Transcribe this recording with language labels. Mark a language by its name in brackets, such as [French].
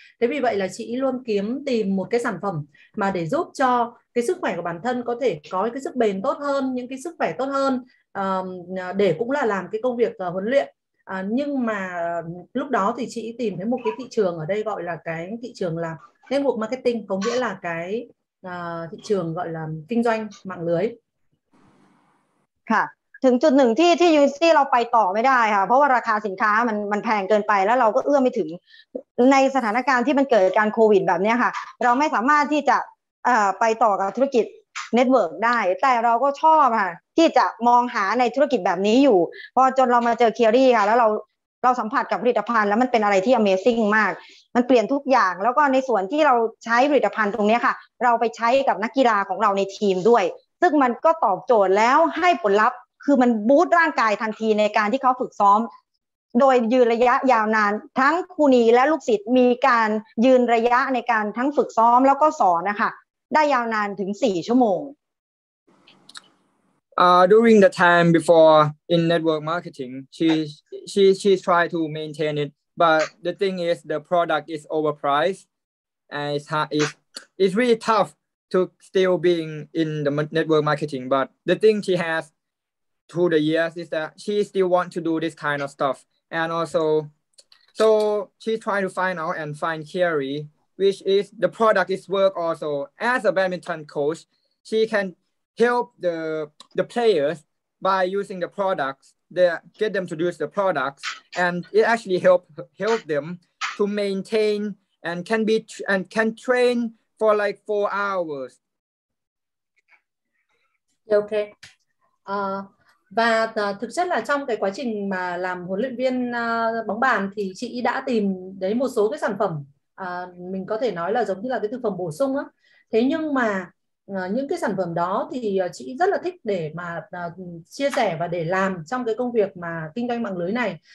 [Vietnamese] Thế vì vậy là chị luôn kiếm tìm một cái sản phẩm mà để giúp cho cái sức khỏe của bản thân có thể có cái sức bền tốt hơn, những cái sức khỏe tốt hơn, để cũng là làm cái công việc huấn luyện. Nhưng mà lúc đó thì chị tìm thấy một cái thị trường ở đây gọi là cái thị trường là network marketing, có nghĩa là cái thị trường gọi là kinh doanh mạng lưới. Ha. [Thai] ถึงจุดหนึ่งที่ยูนิซี่เราไปต่อไม่ได้ค่ะเพราะว่าราคาสินค้ามันแพงเกินไปแล้วเราก็เอื้อไม่ถึงในสถานการณ์ที่มันเกิดการโควิดแบบนี้ค่ะเราไม่สามารถที่จะ ไปต่อกับธุรกิจเน็ตเวิร์กได้แต่เราก็ชอบค่ะที่จะมองหาในธุรกิจแบบนี้อยู่พอจนเรามาเจอคีรีค่ะแล้วเราสัมผัสกับผลิตภัณฑ์แล้วมันเป็นอะไรที่ Amazing มาก มันเปลี่ยนทุกอย่างแล้วก็ในส่วนที่เราใช้ผลิตภัณฑ์ตรงนี้ค่ะเราไปใช้กับนักกีฬาของเราในทีมด้วยซึ่งมันก็ตอบโจทย์แล้วให้ผลลัพธ์คือมันบูสต์ร่างกายทันทีในการที่เขาฝึกซ้อมโดยยืนระยะยาวนานทั้งครูนีและลูกศิษย์มีการยืนระยะในการทั้งฝึกซ้อมแล้วก็สอนนะคะได้ยาวนานถึง4 ชั่วโมง [English] During the time before in network marketing she try to maintain it, but the thing is the product is overpriced and it's really tough to still being in the network marketing, but the thing she hasthrough the years is that she still want to do this kind of stuff, and also so she's trying to find out and find Kiari, which is the product is work also as a badminton coach. She can help the players by using the products, they get them to use the products, and it actually help them to maintain and can train for like 4 hours. Okay. [Vietnamese] Và thực chất là trong cái quá trình mà làm huấn luyện viên bóng bàn thì chị đã tìm đấy một số cái sản phẩm mình có thể nói là giống như là cái thực phẩm bổ sung á. Thế nhưng mà những cái sản phẩm đó thì chị rất là thích để mà chia sẻ và để làm trong cái công việc mà kinh doanh mạng lưới này.